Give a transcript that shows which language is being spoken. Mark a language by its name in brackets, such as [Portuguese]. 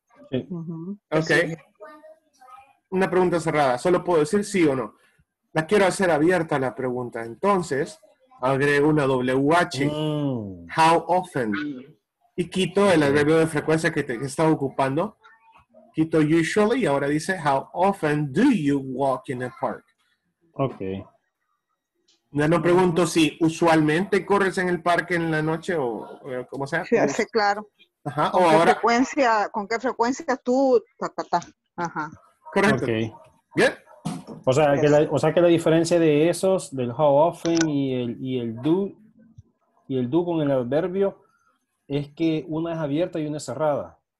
[Spanish] Sí. Ok. Una pregunta cerrada. Solo puedo decir sí o no. La quiero hacer abierta la pregunta. Entonces, agrego una WH. [English] How often? [Spanish] Y quito el adverbio de frecuencia que estaba ocupando. Quito usually y ahora dice, [English] how often do you walk in a park? [Spanish] Ok. Ya no pregunto si usualmente corres en el parque en la noche o como sea. Sí, hace claro. Ajá. ¿Con qué frecuencia tú? Ajá. Correcto. Okay. Bien. O sea que la diferencia de esos, del how often y el do con el adverbio, es que una es abierta y una es cerrada.